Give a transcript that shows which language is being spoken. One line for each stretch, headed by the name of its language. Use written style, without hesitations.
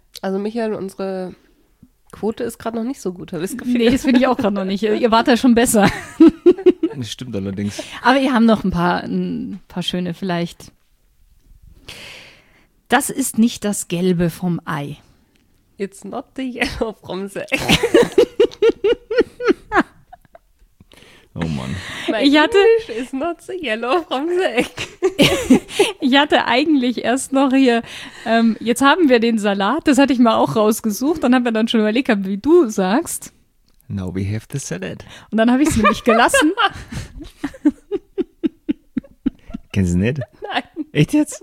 German: Also Michael, unsere Quote ist gerade noch nicht so gut, habe ich das Gefühl. Nee, das finde ich auch gerade noch nicht. Ihr wart da schon besser. Das stimmt allerdings. Aber ihr habt noch ein paar schöne vielleicht. Das ist nicht das Gelbe vom Ei.
English: It's not the yellow from the egg.
German: Oh Mann.
English: My English is not the yellow from the egg.
German: Ich hatte eigentlich erst noch hier, jetzt haben wir den Salat, das hatte ich mir auch rausgesucht. Dann haben wir dann schon überlegt, wie du sagst.
English: Now we have the salad.
German: Und dann habe ich es nämlich gelassen. Kennst du nicht? Nein. Echt jetzt?